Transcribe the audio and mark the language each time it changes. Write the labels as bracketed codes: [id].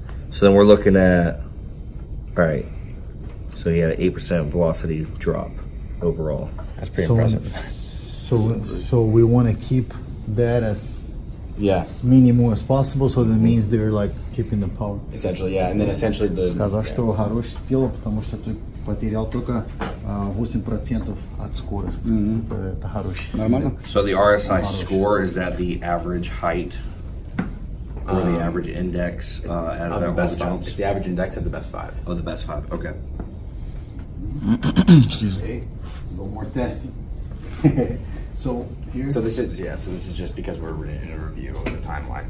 [en] So then we're looking at, all right, so he had an 8% velocity drop overall. That's pretty impressive. So we want to keep that as minimal as possible. So that means they're like keeping the power. Essentially, yeah. And then essentially the... [ru] Сказал, что хорошее тело, потому что ты потерял только 8% от скорости. Это хорошее. Нормально? [en] So the RSI score, is that the average height or the average index out of the best jumps? It's the average index of the best 5. Oh, the best 5. Okay. Excuse me. Okay. Let's go more testing. So this is just because we're in a review of the timeline.